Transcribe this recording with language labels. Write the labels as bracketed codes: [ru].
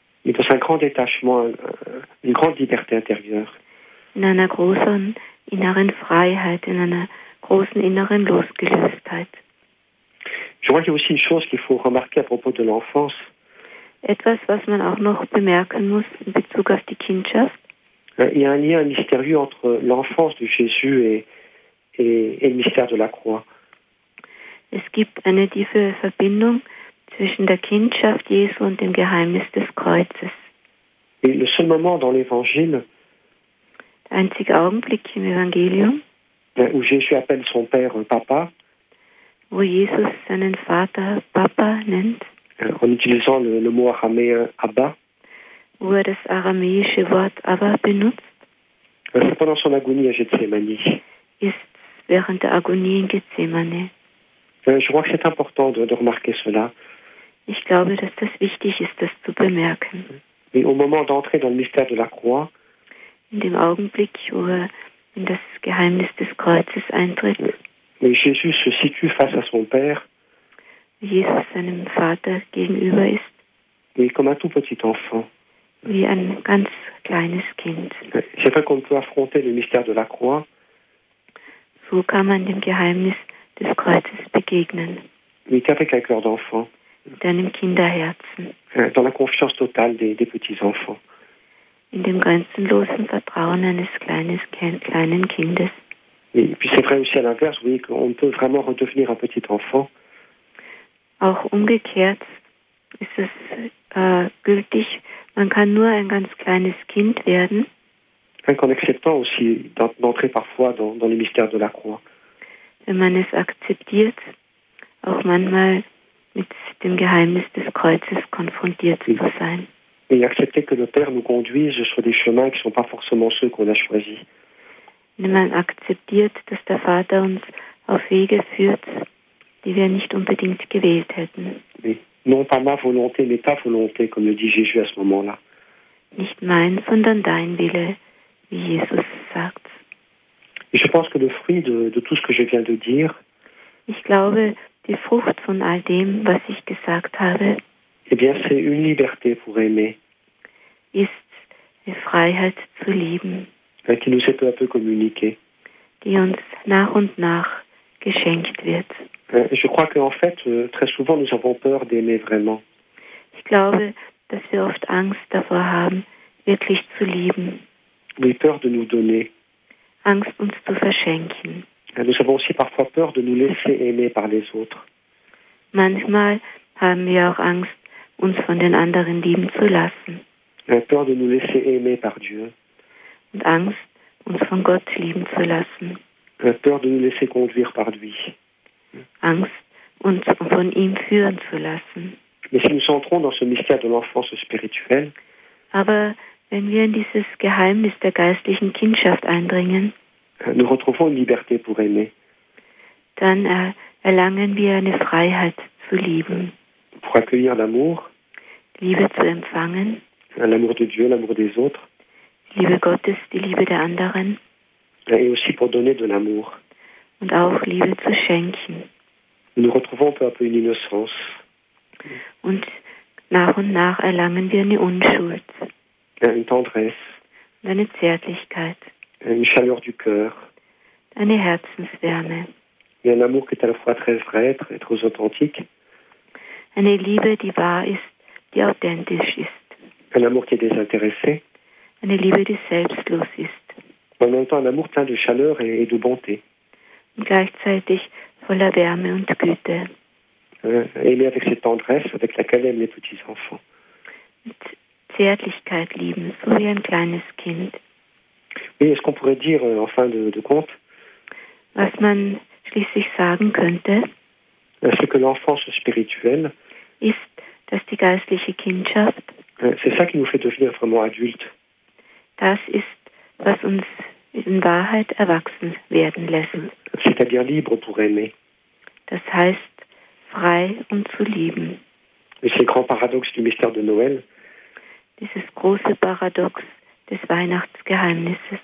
[fr] Mais dans un grand détachement, une grande liberté intérieure. [de] In einer großen inneren Freiheit, in einer großen inneren Losgelöstheit. [fr] Je crois qu'il y a aussi une chose qu'il faut remarquer à propos de l'enfance. [de] Etwas, was man auch noch bemerken muss in Bezug auf die Kindschaft. [fr] Il y a un lien mystérieux entre l'enfance de Jésus et le mystère de la croix. [de] Es gibt eine tiefe Verbindung zwischen der Kindschaft Jesu und dem Geheimnis des Kreuzes. [fr] Et le seul moment dans l'Évangile. [de] Der einzige Augenblick im Evangelium. [fr] Où Jésus appelle son père papa. [de] Wo Jesus seinen Vater Papa nennt. [fr] En utilisant le mot araméen Abba. [de] Wo er das aramäische Wort Abba benutzt. [fr] C'est pendant son agonie à Gethsemane. [de] Ist während der Agonie in Gethsemane. [fr] Je crois que c'est important de remarquer cela. [de] Ich glaube, dass das wichtig ist, das zu bemerken. [fr] Et au moment d'entrer dans le mystère de la croix. [de] In dem Augenblick, wo er in das Geheimnis des Kreuzes eintritt. [fr] Mais Jésus se situe face à son père. [de] Jesus seinem Vater gegenüber ist. [fr] Oui, comme un tout petit enfant. [de] Wie ein ganz kleines Kind. [fr] C'est vrai qu'on peut affronter le mystère de la croix. [de] So kann man dem Geheimnis des Kreuzes begegnen. [fr] Mais qu'avec un cœur d'enfant. [de] Mit einem Kinderherzen. [fr] Dans la confiance totale des petits enfants. [de] In dem grenzenlosen Vertrauen eines kleinen Kindes. [fr] Et puis c'est vrai aussi à l'inverse, oui, qu'on peut vraiment redevenir un petit enfant. [de] Auch umgekehrt ist es gültig. Man kann nur ein ganz kleines Kind werden. [fr] En acceptant aussi d'entrer parfois dans les mystères de la croix. [de] Wenn man es akzeptiert, auch manchmal mit dem Geheimnis des Kreuzes konfrontiert zu sein. [fr] et accepter que le Père nous conduise sur des chemins qui ne sont pas forcément ceux qu'on a choisis. [de] Wenn man akzeptiert, dass der Vater uns auf Wege führt, die wir nicht unbedingt gewählt hätten. [fr] Non pas ma volonté, mais ta volonté, comme le dit Jésus à ce moment-là. [de] Nicht mein, sondern dein Wille, wie Jesus sagt. [fr] Et je pense que le fruit de tout ce que je viens de dire. [de] Ich glaube, die Frucht von all dem, was ich gesagt habe. [fr] Eh bien, c'est une liberté pour aimer. [de] Ist die Freiheit zu lieben. [fr] Qui nous est peu à peu communiqué. [de] Die uns nach und nach geschenkt wird. [fr] Je crois qu'en fait, très souvent, nous avons peur d'aimer vraiment. [de] Ich glaube, dass wir oft Angst davor haben, wirklich zu lieben. [fr] Oui, peur de nous donner. [de] Angst, uns zu verschenken. [fr] Nous avons aussi parfois peur de nous laisser aimer par les autres. [de] Manchmal haben wir auch Angst, uns von den anderen lieben zu lassen. [fr] Peur de nous laisser aimer par Dieu. [de] Und Angst, uns von Gott lieben zu lassen. [fr] Peur de nous laisser conduire par lui. [de] Angst, uns von ihm führen zu lassen. [fr] Mais si nous entrons dans ce mystère de l'enfance spirituelle, [de] aber wenn wir in dieses Geheimnis der geistlichen Kindschaft eindringen, [fr] nous retrouvons une liberté pour aimer. [de] Dann erlangen wir eine Freiheit zu lieben. [fr] Pour accueillir l'amour. [de] Liebe zu empfangen. [fr] L'amour de Dieu, l'amour des autres. [de] Liebe Gottes, die Liebe der anderen. [fr] Et aussi pour donner de l'amour. [de] Und auch Liebe zu schenken. [fr] Nous retrouvons peu à peu une innocence. [de] Und nach erlangen wir eine Unschuld. [fr] Une tendresse. [de] Und eine Zärtlichkeit. [fr] Une chaleur du cœur. [de] Eine Herzenswärme. [fr] Et un amour qui est à la fois très vrai, très, très authentique. [de] Eine Liebe, die wahr ist, die authentisch ist. [fr] Un amour qui est désintéressé. [de] Eine Liebe, die selbstlos ist. [fr] En même temps, un amour plein de chaleur et de bonté. [de] Und gleichzeitig voller Wärme und Güte. [fr] Aimer avec cette tendresse avec laquelle aiment les petits enfants. [de] Mit Zärtlichkeit lieben, so wie ein kleines Kind. [fr] Oui, est-ce qu'on pourrait dire, en fin de compte, [de] was man schließlich sagen könnte, [fr] c'est que l'enfance spirituelle [de] ist, dass die geistliche Kindschaft, [fr] c'est ça qui nous fait devenir vraiment adultes. [de] Das ist, was uns in Wahrheit erwachsen werden lassen. [fr] C'est-à-dire libre pour aimer. [de] Das heißt, frei, um zu lieben. [fr] Et c'est le grand paradoxe du mystère de Noël. [de] Dieses große Paradox des Weihnachtsgeheimnisses.